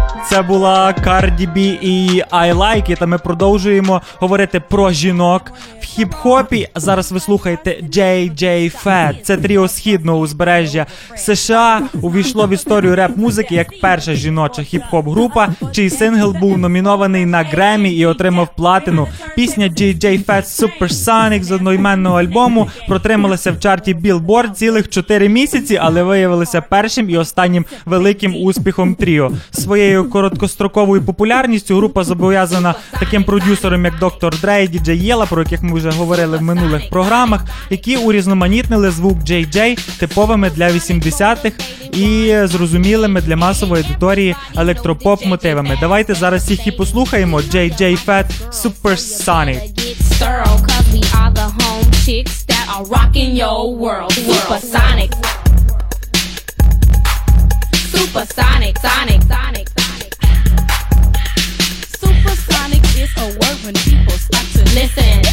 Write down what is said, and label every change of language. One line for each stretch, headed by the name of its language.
Ukrainian: Це була Cardi B і I Like It. Ми продовжуємо говорити про жінок в хіп-хопі. Зараз ви слухаєте JJ Fat. Це тріо східного узбережжя США. Увійшло в історію реп-музики як перша жіноча хіп-хоп-група, чий сингл був номінований на Греммі і отримав платину. Пісня JJ Fat Supersonic з одноіменного альбому протрималася в чарті Billboard цілих 4 місяці, але виявилася першим і останнім великим успіхом тріо. Своєю короткостроковою популярністю група зобов'язана таким продюсером, як Dr. Dre і DJ Yella, про яких ми вже говорили в минулих програмах, які урізноманітнили звук JJ типовими для 80-х і зрозумілими для масової аудиторії електропоп-мотивами. Давайте зараз їх і послухаємо. JJ Fat Supersonic.
English: thorough, cause we are the home chicks that are rocking your world. Supersonic. Supersonic, sonic, sonic, sonic. Supersonic is a word when people start to listen.